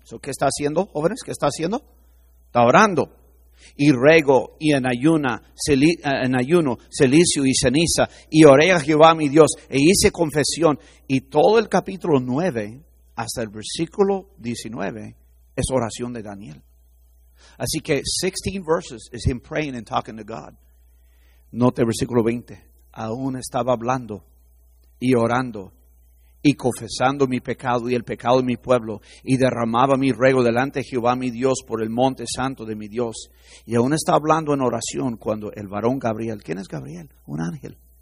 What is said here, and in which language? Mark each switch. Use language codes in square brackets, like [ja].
[es] So, ¿qué está haciendo, jóvenes? ¿Qué está haciendo? Está orando. Y ruego y en ayuno, cilicio y ceniza. Y oré a Jehová mi Dios e hice confesión. Y todo el capítulo 9 hasta el versículo 19 es oración de Daniel. Así que [en] 16 verses is him praying and talking to God. [es] Note el versículo 20. Aún estaba hablando y orando y confesando mi pecado y el pecado de mi pueblo. Y derramaba mi ruego delante de Jehová mi Dios por el monte santo de mi Dios. Y aún estaba hablando en oración cuando el varón Gabriel. ¿Quién es Gabriel? Un ángel.